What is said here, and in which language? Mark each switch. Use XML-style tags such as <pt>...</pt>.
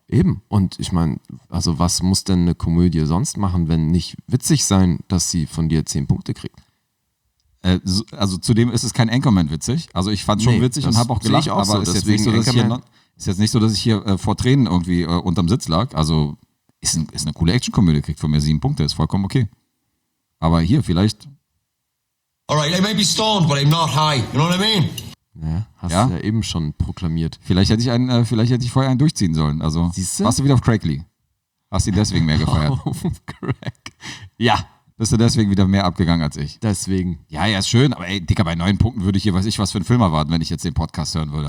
<de>Eben, und ich meine, also was muss denn eine Komödie sonst machen, wenn nicht witzig sein, dass sie von dir 10 Punkte kriegt? Also zudem ist es kein Anchorman witzig, also ich fand es schon witzig und habe auch gelacht, auch aber so. Ist jetzt nicht so, dass ich hier vor Tränen irgendwie unterm Sitz lag, also ist eine coole Actionkomödie, kriegt von mir 7 Punkte, ist vollkommen okay. Aber hier vielleicht.</de> <en>Alright, I may be stoned, but I'm not high, you know what I mean?</en> <de>Ja, hast du ja eben schon proklamiert. Vielleicht hätte ich vorher einen durchziehen sollen. Also, siehste? Warst du wieder auf Craig Lee? Hast ihn deswegen mehr gefeiert? Craig. Ja. Bist du deswegen wieder mehr abgegangen als ich? Deswegen. Ja, ja, ist schön. Aber ey, Dicker, bei 9 Punkten würde ich hier, weiß ich, was für einen Film erwarten, wenn ich jetzt den Podcast hören würde.</de>